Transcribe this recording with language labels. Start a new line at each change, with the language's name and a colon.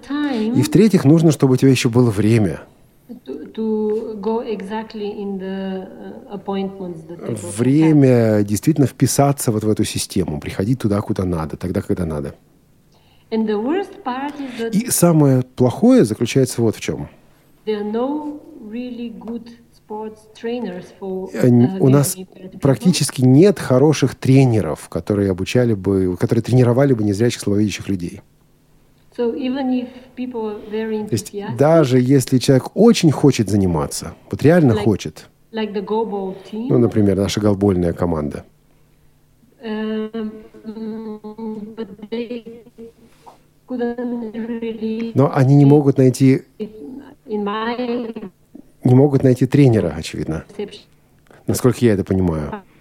Russian: И в-третьих, нужно, чтобы у тебя еще было время время действительно вписаться вот в эту систему, приходить туда, куда надо, тогда, когда надо.
English: And the worst part is that
Russian: и самое плохое заключается вот в чем.
English: There are no really good sports trainers for,
Russian: у нас практически нет хороших тренеров, которые обучали бы, которые тренировали бы незрячих слабовидящих людей. То есть даже если человек очень хочет заниматься, вот реально хочет, ну, например, наша голбольная команда, но они не могут найти тренера, очевидно, насколько я это понимаю.